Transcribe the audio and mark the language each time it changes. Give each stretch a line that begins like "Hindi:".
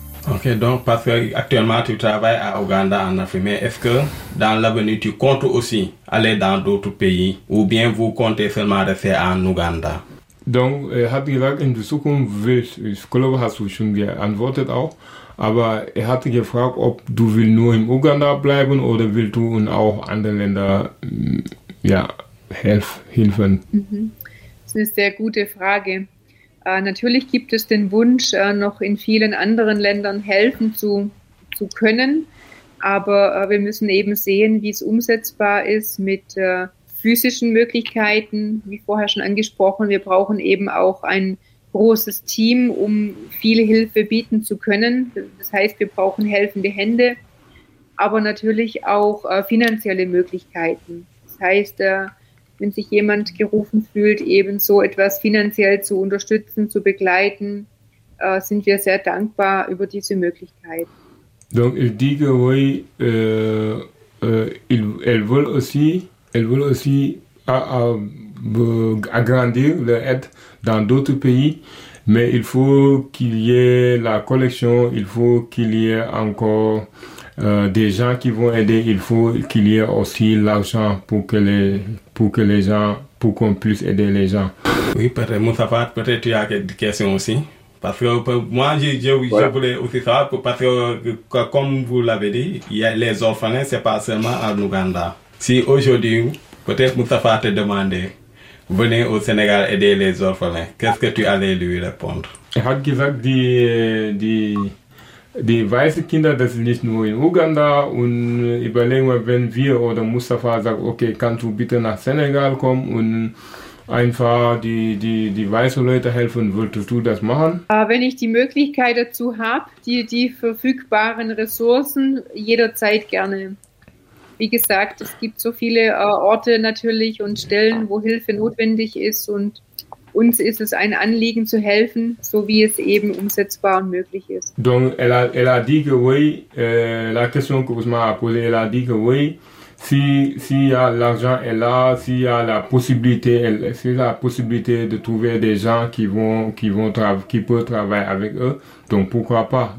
French: Ok, donc parce que actuellement tu travailles à Ouganda en Afrique, mais est-ce que dans l'avenir tu comptes aussi aller dans d'autres pays ou bien vous comptez seulement rester en Ouganda?
German: Donc, er hat gesagt, in der Zukunft willst du, ich glaube, hast du schon geantwortet auch, aber er hatte gefragt, ob du willst nur in Uganda bleiben oder willst du in auch anderen Ländern ja, helfen? Das ist eine sehr gute Frage. Natürlich gibt es den Wunsch, noch in vielen anderen Ländern helfen zu können, aber wir müssen eben sehen, wie es umsetzbar ist mit physischen Möglichkeiten, wie vorher schon angesprochen. Wir brauchen eben auch ein großes Team, um viel Hilfe bieten zu können. Das heißt, wir brauchen helfende Hände, aber natürlich auch finanzielle Möglichkeiten. Das heißt, wenn sich jemand gerufen fühlt, eben so etwas finanziell zu unterstützen, zu begleiten, sind wir sehr dankbar über diese Möglichkeit.
French: Donc, il dit que oui, elle veut aussi agrandir l'aide dans d'autres pays, mais il faut qu'il y ait la collection, il faut qu'il y ait encore des gens qui vont aider, il faut qu'il y ait aussi l'argent pour qu'on puisse aider les gens. Oui, peut-être, Moussafa, peut-être tu as des questions aussi. Parce que moi, je voulais aussi savoir, parce que comme vous l'avez dit, il y a les orphelins, c'est pas seulement à Ouganda. Si aujourd'hui, peut-être Moustapha te demandait, venez au Sénégal aider les orphelins, qu'est-ce que tu allais lui répondre?
German: Er hat gesagt, die weißen Kinder, das ist nicht nur in Uganda. Und überlegen wir, wenn wir oder Moustapha sagt, okay, kannst du bitte nach Senegal kommen und einfach die weißen Leute helfen, würdest du das machen? Wenn ich die Möglichkeit dazu habe, die verfügbaren Ressourcen jederzeit gerne. Wie gesagt, es gibt so viele Orte natürlich und Stellen, wo Hilfe notwendig ist und uns ist es ein Anliegen zu helfen, so wie es eben umsetzbar und möglich ist.
French: Donc, elle a dit que oui, la question que vous m'avez posée, elle a dit que oui, si y a l'argent est là, si y a la possibilité, de trouver des gens qui peuvent travailler avec eux, donc pourquoi pas?